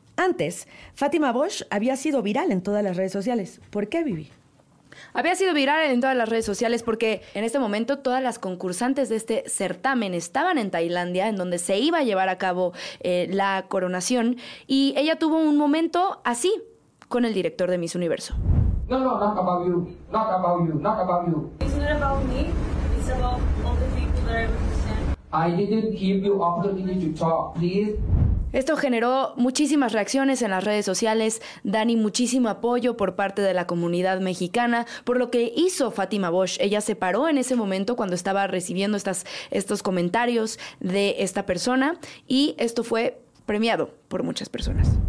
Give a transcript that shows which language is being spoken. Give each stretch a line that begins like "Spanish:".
Spanish: Antes, Fátima Bosch había sido viral en todas las redes sociales. ¿Por qué, Vivi? Había sido viral en todas las redes sociales porque en este momento todas las concursantes de este certamen estaban en Tailandia, en donde se iba a llevar a cabo la coronación, y ella tuvo un momento así con el director de Miss Universo.
English: No, no, not about you, not about you, not about you. It's not about me, it's about all the people that I represent. I didn't give you opportunity to talk, please.
Spanish: Esto generó muchísimas reacciones en las redes sociales, Dani, muchísimo apoyo por parte de la comunidad mexicana, por lo que hizo Fátima Bosch. Ella se paró en ese momento cuando estaba recibiendo estos comentarios de esta persona y esto fue premiado por muchas personas.